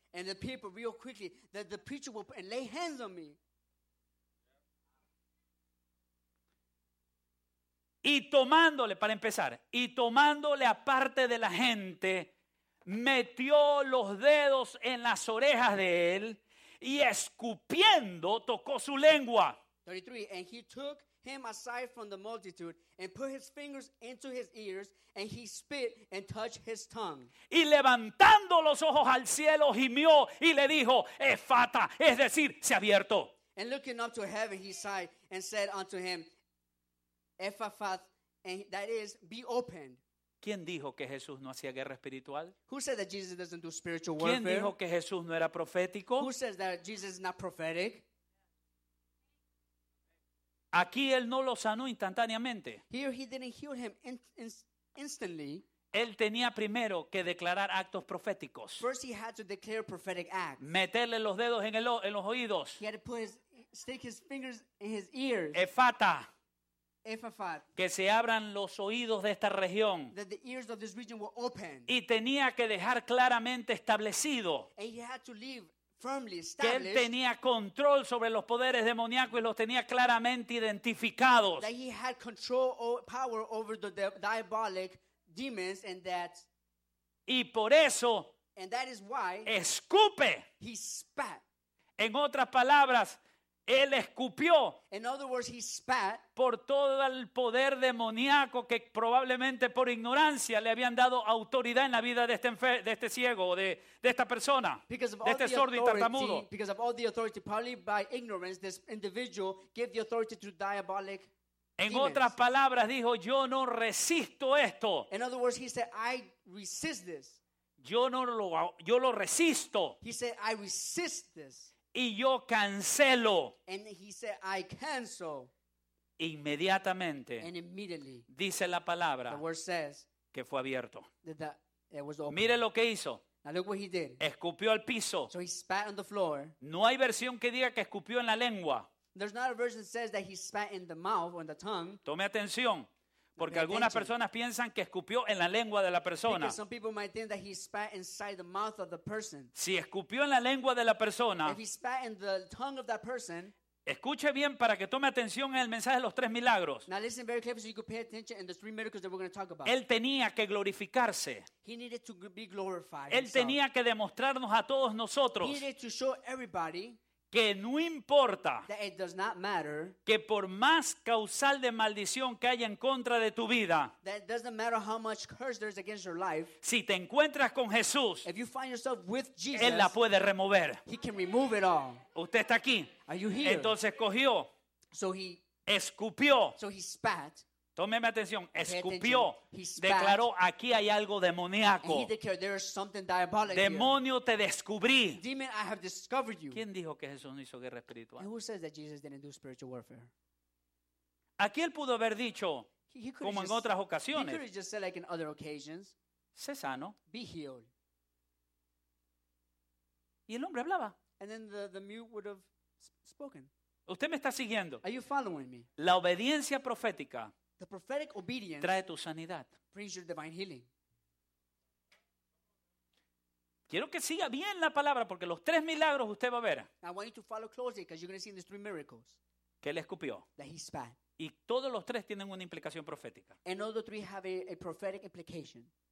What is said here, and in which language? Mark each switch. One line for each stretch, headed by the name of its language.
English: And the people, real quickly, that the preacher will and lay hands on me.
Spanish: Y tomándole, para empezar, y tomándole aparte de la gente, metió los dedos en las orejas de él y escupiendo tocó su lengua.
English: 33, and he took him aside from the multitude and put his fingers into his ears and he spit and touched his tongue.
Spanish: Y levantando los ojos al cielo gimió y le dijo, Ephata, es decir, se ha abierto.
English: And looking up to heaven, he sighed and said unto him, Ephaphat, and that is, be opened.
Spanish: ¿Quién dijo que Jesús no hacía guerra espiritual?
English: Who said that Jesus doesn't do spiritual warfare?
Spanish: ¿Quién dijo que Jesús no era profético?
English: Who says that Jesus is not prophetic?
Spanish: Aquí él no lo sanó instantáneamente.
English: Here he didn't heal him instantly.
Spanish: Él tenía primero que declarar actos proféticos.
English: First he had to declare prophetic acts.
Spanish: Meterle los dedos en los oídos.
English: He had to put his, stick his fingers in his ears.
Aramaic: Ephata. Ephaphat,
Spanish: que se abran los oídos de esta región.
English: That the ears of this region were open.
Spanish: Y tenía que dejar claramente establecido.
English: And he had to leave firmly established.
Spanish: Que él tenía control sobre los poderes demoníacos y los tenía claramente identificados.
English: That he had control or power over the diabolic demons and that.
Spanish: Y por eso.
English: And that is why.
Spanish: Escupe.
English: He spat.
Spanish: En otras palabras. Él escupió.
English: In other words, he spat.
Spanish: Por todo el poder demoníaco que probablemente por ignorancia le habían dado autoridad en la vida de este ciego o de esta persona, de este sordo y tartamudo.
English: Because of all the authority, probably by ignorance, this individual gave the authority to diabolic demons.
Spanish: En otras palabras, dijo, yo no resisto esto.
English: In other words, he said, I resist this.
Spanish: Yo lo resisto.
English: He said, I resist this.
Spanish: Y yo cancelo.
English: And he said, I cancel.
Spanish: Inmediatamente.
English: And immediately.
Spanish: Dice la palabra.
English: The word says.
Spanish: Que fue abierto.
English: That it was open.
Spanish: Mire lo que hizo.
English: Now look what he did.
Spanish: Escupió al piso.
English: So he spat on the floor.
Spanish: No hay versión que diga que escupió en la lengua.
English: There's not a version that says that he spat in the mouth or in the tongue.
Spanish: Tome atención. Porque algunas personas piensan que escupió en la lengua de la persona.
English: Because some people might think that he spat inside the mouth of the person.
Spanish: Si escupió en la lengua de la persona.
English: If he spat in the tongue of that person.
Spanish: Escuche bien para que tome atención en el mensaje de los tres milagros.
English: Now listen very carefully so you can pay attention in the three miracles that we're going to talk about.
Spanish: Él tenía que glorificarse.
English: He needed to be glorified.
Spanish: Él
English: himself.
Spanish: Tenía que demostrarnos a todos nosotros.
English: He needed to show everybody.
Spanish: Que no importa
English: that it does not matter,
Spanish: que por más causal de maldición que haya en contra de tu vida,
English: that it doesn't matter how much curse there is against your life,
Spanish: si te encuentras con Jesús,
English: if you find yourself with Jesus,
Spanish: Él la puede remover.
English: He can remove it all.
Spanish: Usted está aquí.
English: Are you here?
Spanish: Entonces cogió,
English: so he,
Spanish: escupió,
English: so he spat.
Spanish: Tómeme atención, escupió,
English: he spat,
Spanish: declaró, aquí hay algo demoníaco.
English: And he declared, there is something diabolic.
Spanish: Demonio,
English: here.
Spanish: Te descubrí.
English: Demon, I have discovered you.
Spanish: ¿Quién dijo que Jesús no hizo guerra espiritual?
English: And who says that Jesus didn't do spiritual warfare?
Spanish: Aquí él pudo haber dicho, como en otras ocasiones,
English: he could have just said like in other occasions,
Spanish: sé sano.
English: Be healed.
Spanish: Y el hombre hablaba.
English: And then the mute would have spoken.
Spanish: ¿Usted me está siguiendo?
English: Are you following me?
Spanish: La obediencia profética.
English: The prophetic obedience
Spanish: trae tu sanidad.
English: Brings your divine healing.
Spanish: Quiero que siga bien la palabra porque los tres milagros usted va a ver.
English: I want you to follow closely because you're going to see in these three miracles.
Spanish: Que él escupió.
English: That he spat.
Spanish: Y todos los tres tienen una implicación profética.
English: And all the three have a prophetic implication.